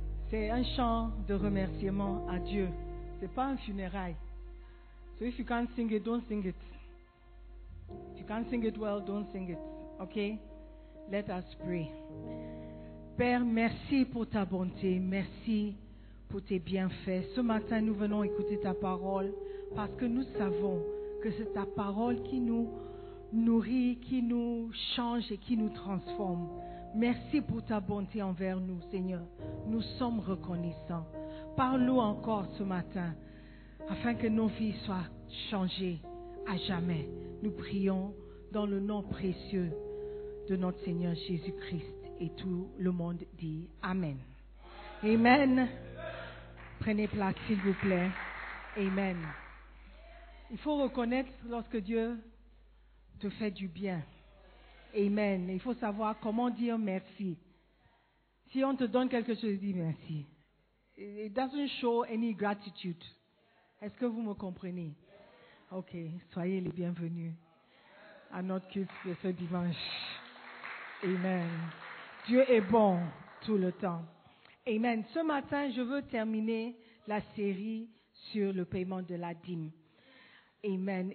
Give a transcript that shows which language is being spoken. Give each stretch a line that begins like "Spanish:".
French: C'est un chant de remerciement à Dieu. C'est pas un funérail.
English: So if you can't sing it, don't sing it. If you can't sing it well, don't sing it. Okay? Let us pray.
French: Père, merci pour ta bonté. Merci pour tes bienfaits. Ce matin, nous venons écouter ta parole parce que nous savons que c'est ta parole qui nous nourrit, qui nous change et qui nous transforme. Merci pour ta bonté envers nous, Seigneur. Nous sommes reconnaissants. Parle-nous encore ce matin, afin que nos vies soient changées à jamais. Nous prions dans le nom précieux de notre Seigneur Jésus-Christ. Et tout le monde dit Amen. Amen. Prenez place, s'il vous plaît. Amen. Il faut reconnaître lorsque Dieu te fait du bien. Amen. Il faut savoir comment dire merci. Si on te donne quelque chose, dis merci.
English: It doesn't show any gratitude.
French: Est-ce que vous me comprenez? Ok. Soyez les bienvenus à notre culte de ce dimanche. Amen. Dieu est bon tout le temps. Amen. Ce matin, je veux terminer la série sur le paiement de la dîme. Amen.